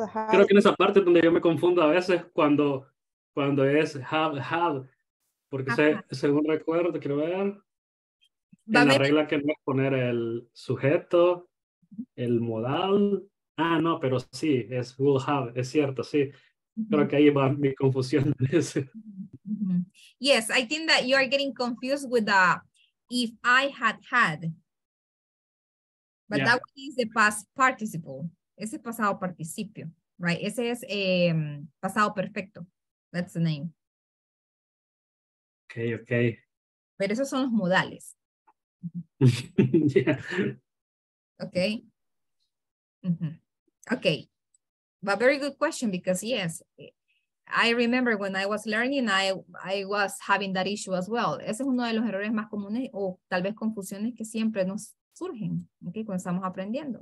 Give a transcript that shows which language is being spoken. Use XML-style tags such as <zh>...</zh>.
<es>Creo que en esa parte donde yo me confundo a veces cuando es have, porque según recuerdo, quiero ver. En la regla que no es poner el sujeto, el modal. Ah, no, pero sí, es will have, es cierto, sí. Creo que ahí va mi confusión.</es> <en>Yes, I think that you are getting confused with the if I had had. But yeah. That one is the past participle.</en> <es>Ese pasado participio,</es> <en>right?</en> <es>Ese es pasado perfecto.</es> <en>That's the name. Okay, okay.</en> <es>Pero esos son los modales.</es> <en>Yeah. Okay. Mm-hmm. Okay. But very good question because yes, I remember when I was learning, I was having that issue as well.</en> <es>Ese es uno de los errores más comunes o tal vez confusiones que siempre nos surgen, okay, cuando estamos aprendiendo.</es>